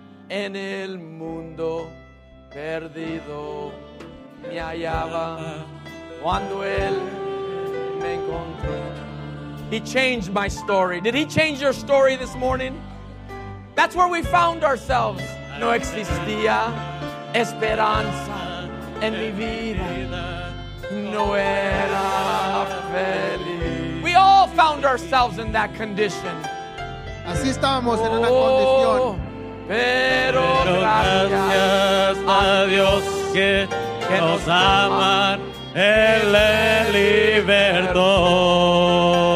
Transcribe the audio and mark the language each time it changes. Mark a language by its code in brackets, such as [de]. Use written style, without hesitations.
[es] En el mundo perdido me hallaba cuando él me encontró. [en] He changed my story. Did he change your story this morning? That's where we found ourselves. [es] No existía esperanza en mi vida. No era feliz. [en] We all found ourselves in that condition. [es] Así estábamos en una condición. Pero gracias a Dios que nos ama, Él libertó.